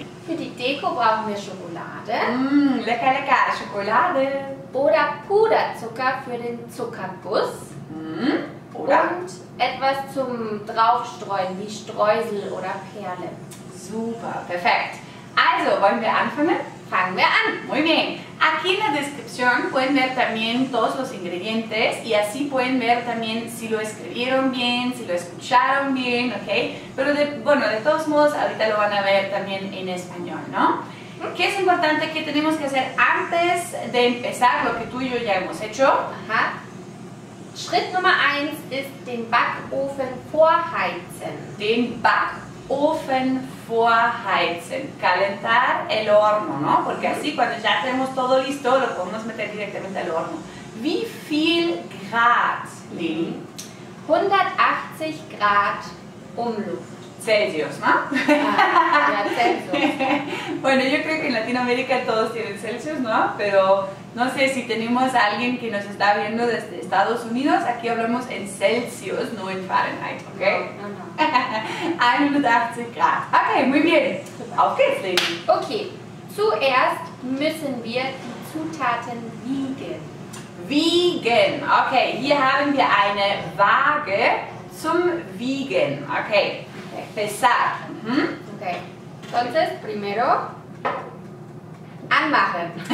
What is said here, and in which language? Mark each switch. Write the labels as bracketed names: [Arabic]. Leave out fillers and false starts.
[German] Für die Deko brauchen wir Schokolade. Lecker, lecker, Schokolade. Oder Puderzucker für den Zuckerguss. Oder? Und etwas zum Draufstreuen, wie Streusel oder Perle. Super, perfekt. Also, wollen wir anfangen? Fangen wir an. [Spanish] Muy bien. Aquí en la descripción pueden ver también todos los ingredientes y así pueden ver también si lo escribieron bien, si lo escucharon bien, ¿ok? Pero de todos modos, ahorita lo van a ver también en español, ¿no? ¿Qué es importante que tenemos que hacer antes de empezar lo que tú y yo ya hemos hecho? Ajá. [German] Schritt Nummer 1 [Spanish] es [German] den Backofen vorheizen. Den Backofen vorheizen. [Spanish] Calentar el horno, ¿no? Porque así cuando ya tenemos todo listo, lo podemos meter directamente al horno. [German] ¿Wie viel Grad, Lili? 180 Grad Umluft. [Spanish] Celsius, ¿no? Ah, bueno, yo creo que en Latinoamérica todos tienen Celsius, ¿no? Pero no sé si tenemos a alguien que nos está viendo desde Estados Unidos. Aquí hablamos en Celsius, no en Fahrenheit, ¿ok? No, no. [German] 180 Grad. [Spanish] Ok, muy bien. [German] Auf geht's, Lady. Ok, zuerst müssen wir die Zutaten wiegen. Wiegen. Ok, hier haben wir eine Waage zum Wiegen. [Spanish] Ok. Pesar. Ok. Entonces, primero, [German] anmachen.